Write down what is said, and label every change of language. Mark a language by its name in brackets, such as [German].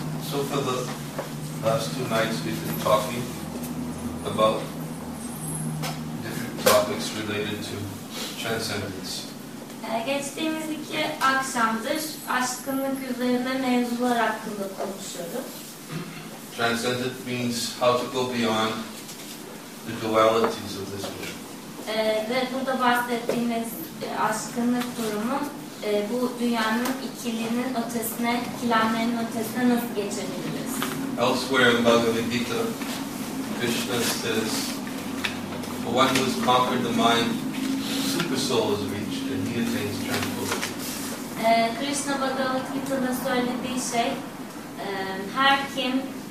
[English] For the last 2 nights we've been talking about different topics related to transcendence. [Turkish] Geçtiğimiz iki akşamdır aşkınlık üzerine mevzular hakkında konuşuyorduk. [English] Transcendent means how to go beyond the dualities of this world. [Turkish] Ve burada bahsettiğimiz aşkınlık durumu bu dünyanın ikiliğinin ötesine, ikilemlerinin ötesine nasıl geçebiliriz? [English] Elsewhere in Bhagavad Gita, Krishna says, "For one who has conquered the mind, super soul is reached, and he attains tranquility." [Turkish] Krishna Bhagavad Gita'da söylediği şey, her kim